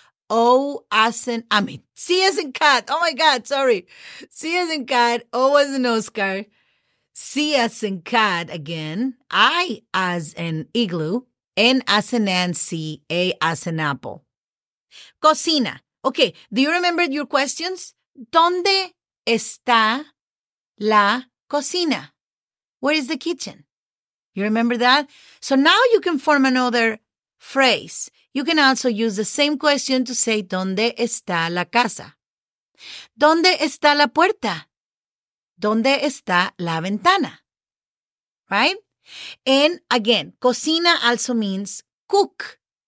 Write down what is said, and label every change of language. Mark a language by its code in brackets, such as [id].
[en] C as in cat. Oh my God, sorry. C as in cat. O as in Oscar. C as in cat again. I as in igloo. N as in Nancy. A as in apple. Cocina. Okay, do you remember your questions? [es] ¿Dónde está la cocina? [en] Where is the kitchen? You remember that? So now you can form another phrase. You can also use the same question to say, [es] ¿dónde está la casa? ¿Dónde está la puerta? ¿Dónde está la ventana? [en] Right? And again, cocina also means cook.